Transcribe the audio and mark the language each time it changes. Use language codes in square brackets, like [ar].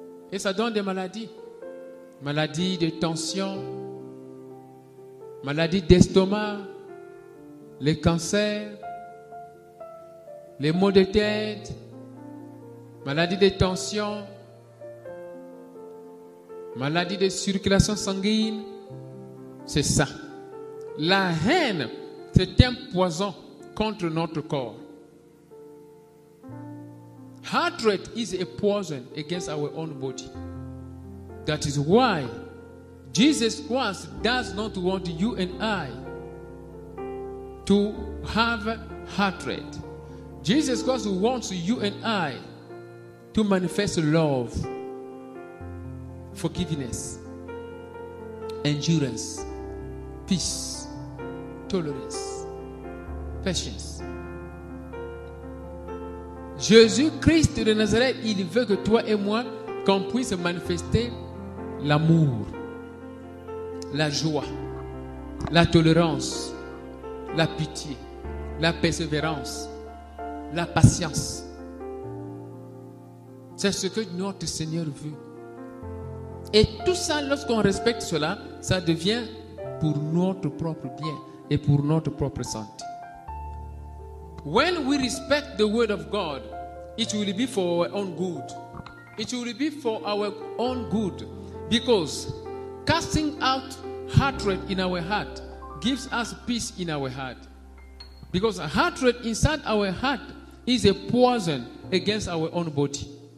[fr] Et ça donne des maladies. Maladies de tension, maladies d'estomac, les cancers, les maux de tête, maladies de tension, maladies de circulation sanguine. C'est ça. La haine, c'est un poison contre notre corps. [en] Hatred is a poison against our own body. That is why Jesus Christ does not want you and I to have hatred. Jesus Christ wants you and I to manifest love, forgiveness, endurance, peace, tolerance, patience. [fr] Jésus Christ de Nazareth, il veut que toi et moi, qu'on puisse manifester l'amour, la joie, la tolérance, la pitié, la persévérance, la patience. C'est ce que notre Seigneur veut. Et tout ça, lorsqu'on respecte cela, ça devient pour notre propre bien et pour notre propre santé. [en] When we respect the word of God, it will be for our own good. It will be for our own good. Because casting out hatred in our heart gives us peace in our heart. Because hatred inside our heart is a poison against our own body.